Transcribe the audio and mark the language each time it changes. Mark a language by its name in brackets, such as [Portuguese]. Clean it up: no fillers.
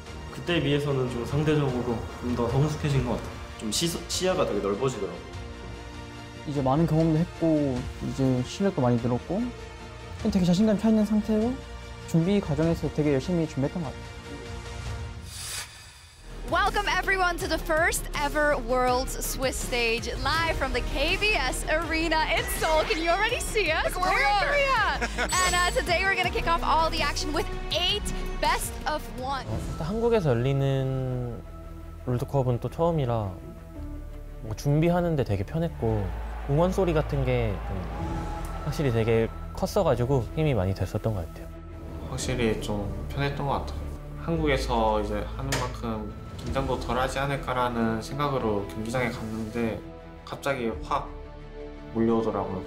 [Korean] 그때에 비해서는 좀 상대적으로 좀 더 성숙해진 것 같아요. 좀 시야가 되게 넓어지더라고요. 이제 많은 경험도 했고 이제 실력도 많이 늘었고 되게 자신감 차 있는 상태로 준비 과정에서 되게 열심히 준비했던 것 같아요. [English] Welcome everyone to the first ever World Swiss Stage live from the KBS Arena in Seoul. Can you already see us? We're in Korea! And today we're going to kick off all the action with eight best of one. [Korean] 한국에서 열리는 롤드컵은 또 처음이라 준비하는데 되게 편했고 응원 소리 같은 게 확실히 되게 컸어가지고 힘이 많이 됐었던 것 같아요. 확실히 좀 편했던 것 같아요. 한국에서 이제 하는 만큼 긴장도 덜하지 않을까라는 생각으로 경기장에 갔는데 갑자기 확 몰려오더라고요.